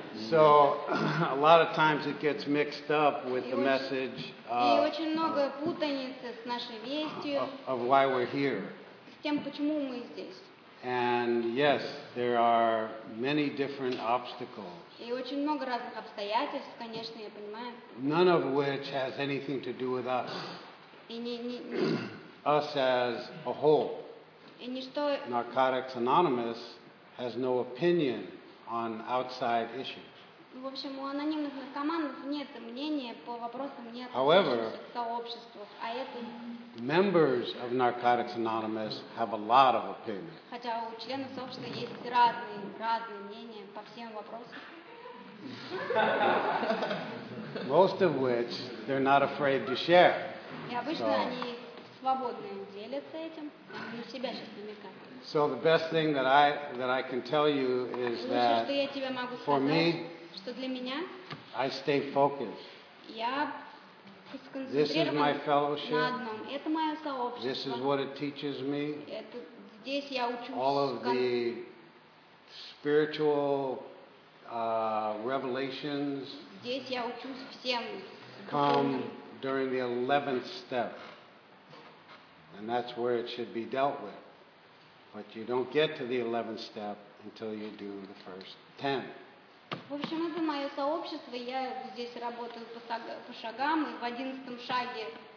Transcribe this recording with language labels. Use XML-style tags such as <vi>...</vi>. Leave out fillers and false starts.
<en>So, a lot of times it gets mixed up with the message</en> <ru>и очень много путаницы с нашей вестью</ru> <en>of why we're here.</en> <ru>С тем, почему мы здесь.</ru> <en>And yes, there are many different obstacles.</en> <ru>И очень много разных обстоятельств, конечно, я понимаю.</ru> <en>None of which has anything to do with us.</en> <ru>И не</ru> <en>us as a whole.</en> <ru>И ничто.</ru> <en>Narcotics Anonymous has no opinion on outside issues.</en> <ru>В общем, у анонимных наркоманов нет мнения по вопросам не относящихся к сообществу, а это.</ru> <en>Members of Narcotics Anonymous have a lot of opinion.</en> <ru>Хотя у членов сообщества есть разные мнения по всем вопросам.</ru> <en>Most of which they're not afraid to share.</en> <ru>И обычно они свободно делятся этим. Они себя сейчас намекают.</ru> <en>So the best thing that I can tell you is that for me,</en> <ru>что для меня,</ru> <en>I stay focused.</en> <ru>Я</ru> <en>This is my fellowship.</en> <ru>На одном. Это мое сообщество.</ru> <en>This is what it teaches me.</en> <ru>Это здесь я учусь.</ru> <en>All of the spiritual revelations.</en> <ru>Здесь я учусь всем.</ru> <en>Come during the 11th step, and that's where it should be dealt with. But you don't get to the 11th step until you do the first 10.</en> <ru>В общем, это мое сообщество, я здесь работаю по шагам, и в 11-м шаге...</ru>